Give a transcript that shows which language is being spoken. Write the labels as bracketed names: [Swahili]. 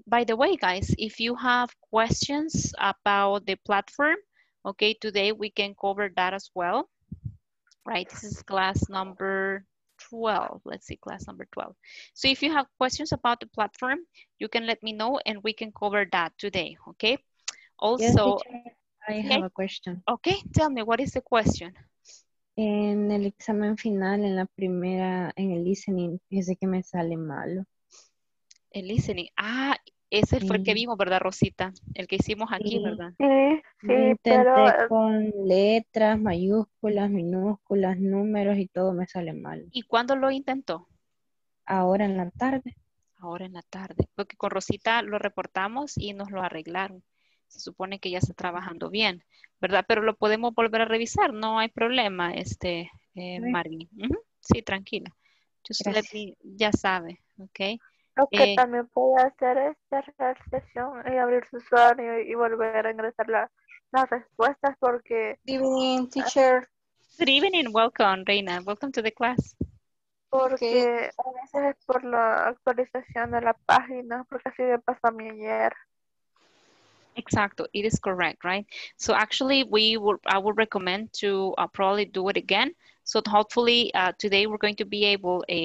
[English] By the way, guys, if you have questions about the platform, okay, today we can cover that as well, right? This is class number 12. Let's see, class number 12. So if you have questions about the platform, you can let me know and we can cover that today, okay? Also, yes, teacher, I have a question. Okay, tell me, what is the question? [Spanish] En el examen final, en la primera, en el listening, dice que me sale malo. El listening. Ah, ese fue el que vimos, ¿verdad, Rosita? El que hicimos aquí, sí, ¿verdad? Sí, sí, intenté, pero con letras, mayúsculas, minúsculas, números y todo me sale mal. ¿Y cuándo lo intentó? Ahora en la tarde. Ahora en la tarde. Porque con Rosita lo reportamos y nos lo arreglaron. Se supone que ya está trabajando bien, ¿verdad? Pero lo podemos volver a revisar. No hay problema, sí. Marvin. Sí, tranquila. Ya sabe, ¿ok? Que también puede hacer es cerrar sesión y abrir su usuario y volver a ingresar las respuestas porque... [English] Good evening, teacher. Good evening, welcome, Reina. Welcome to the class. [Spanish] Porque okay. A veces es por la actualización de la página, porque así me pasó a mí ayer. Exacto, [English] it is correct, right? So actually, I would recommend to probably do it again. So hopefully, today we're going to be able...